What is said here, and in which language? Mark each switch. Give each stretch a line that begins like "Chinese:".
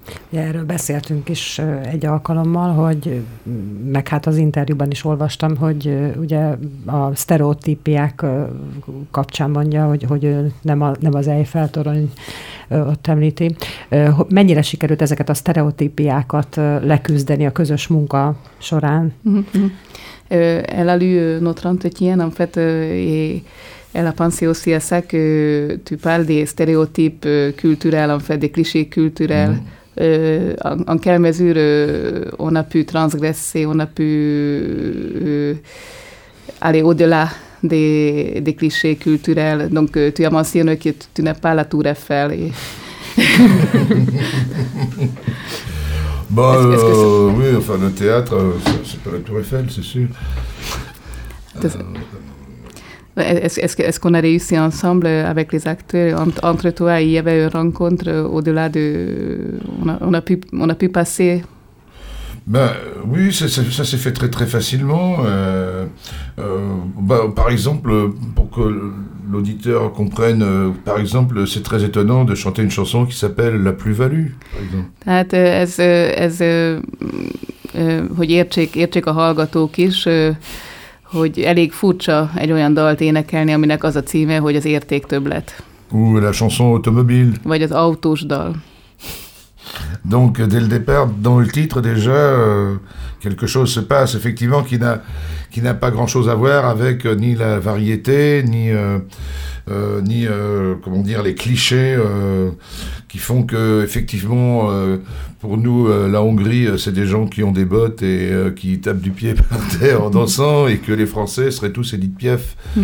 Hungarian: Ja, erről beszéltünk is egy alkalommal, meg az interjúban is olvastam, hogy ugye a sztereotípiák kapcsán mondja, hogy nem az Eiffel-torony ott említi. Mennyire sikerült ezeket a sztereotípiákat leküzdeni a közös munka során?
French: Elle a lu notre entretien, en fait, elle a pensé aussi à ça que tu parles des stéréotypes culturels, en fait, des clichés culturels. en quelle mesure on a pu transgresser, on a pu aller au-delà des clichés culturels. Donc, tu as mentionné que tu n'es pas la Tour Eiffel. Et... Bon, oui, enfin, le théâtre, c'est pas la Tour Eiffel, c'est sûr. Est-ce qu'on a réussi ensemble avec les acteurs entre toi? Il y avait une rencontre au-delà de... On a pu passer... Ben oui, ça s'est fait très très facilement. Par exemple, pour que l'auditeur comprenne, par exemple, c'est très étonnant de chanter une chanson qui s'appelle La Plus-Value, par exemple.
Hungarian: Hogy értsék a hallgatók is, hogy elég furcsa egy olyan dalt énekelni, aminek az a címe, hogy az érték többlet.
French: Ou la chanson automobile.
Hungarian: Vagy az autós dal.
French: Donc, dès le départ, dans le titre, déjà, quelque chose se passe, effectivement, qui n'a pas grand-chose à voir avec ni la variété, ni les clichés qui font que, effectivement, pour nous, la Hongrie, c'est des gens qui ont des bottes et qui tapent du pied par terre en dansant, et que les Français seraient tous Edith Piaf.